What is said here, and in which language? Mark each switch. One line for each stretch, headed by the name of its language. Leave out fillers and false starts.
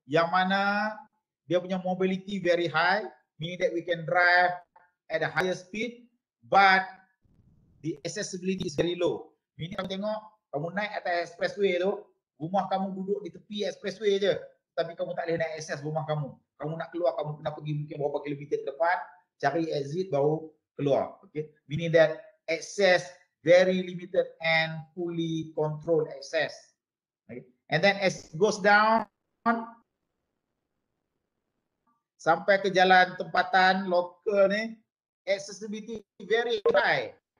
Malay: Yang mana dia punya
English: mobility very high, meaning that we can drive at a higher speed, but the accessibility is very low.
Malay: Ini kamu tengok, kamu naik atas expressway tu, rumah kamu duduk di tepi expressway je. Tapi kamu tak boleh naik access rumah kamu. Kamu nak keluar, kamu kena pergi mungkin berapa kilometer ke depan, cari exit baru keluar.
English: Okay. Meaning that access very limited and fully controlled access. Okay. And then as it goes down,
Malay: sampai ke jalan tempatan lokal ni,
English: accessibility very high.